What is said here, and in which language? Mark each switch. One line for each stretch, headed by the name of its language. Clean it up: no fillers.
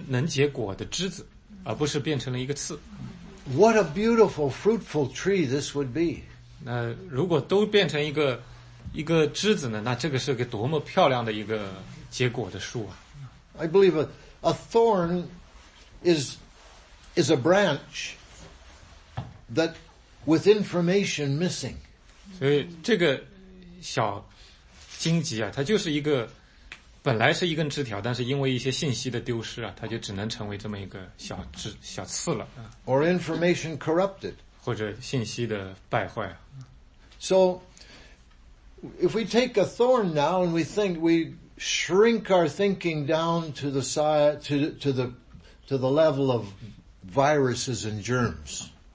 Chinese: 因为我猜呢，每一个小的这个刺呢，应该就是一根能结果的枝子，而不是变成了一个刺。
English: What a beautiful, fruitful tree this would be.
Chinese: 那如果都变成一个枝子呢，那这个是个多么漂亮的一个结果的树啊。
English: I believe a thorn is a branch that with information missing.
Chinese: 所以这个小荆棘啊，它就是一个本来是一根枝条，但是因为一些信息的丢失啊，它就只能成为这么一个小枝、小刺了。
English: Or information corrupted.
Chinese: 或者信息的败坏啊。
English: So if we take a thorn now and we think we shrink our thinking down to the side, to the level of viruses and germs.